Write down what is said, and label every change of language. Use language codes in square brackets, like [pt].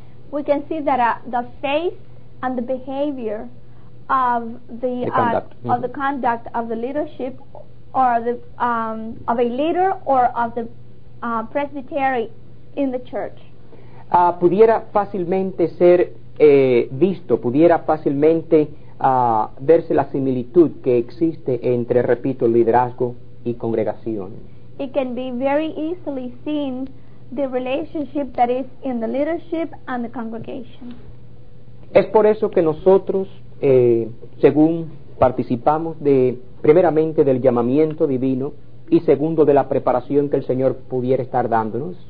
[en] we can see that the faith and the behavior of the conduct of the leadership or the of a leader or of the presbytery in the church [es] pudiera fácilmente ser visto, pudiera fácilmente verse la similitud que existe entre, repito, liderazgo y congregación. [en] It can be very easily seen the relationship that is in the leadership and the congregation. [es] Es por eso que nosotros, según participamos de, primeramente, del llamamiento divino y segundo, de la preparación que el Señor pudiera estar dándonos.